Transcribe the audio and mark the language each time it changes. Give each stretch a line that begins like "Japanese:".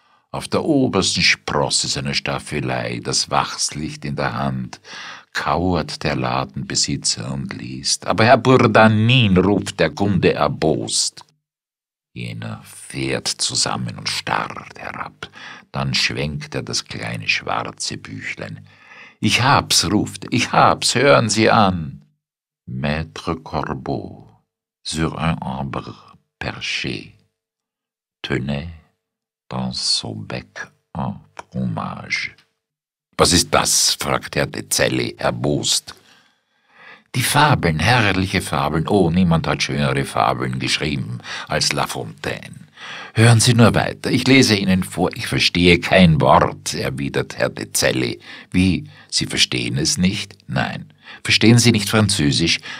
German: Auf der obersten Sprosse seiner Staffelei, das Wachslicht in der Hand, kauert der Ladenbesitzer und liest. Aber Herr Burdanin, ruft der Kunde erbost. Jener fährt zusammen und starrt herab. Dann schwenkt er das kleine schwarze Büchlein. Ich hab's, ruft, ich hab's, hören Sie an.
French: Maître Corbeau, sur un arbre perché, tenait dans son bec un fromage.
German: Was ist das? Fragt Herr De Celle erbost. Die Fabeln, herrliche Fabeln, oh, niemand hat schönere Fabeln geschrieben als La Fontaine. Hören Sie nur weiter, ich lese Ihnen vor, ich verstehe kein Wort, erwidert Herr De Celle. Wie, Sie verstehen es nicht? Nein. Verstehen Sie nicht Französisch?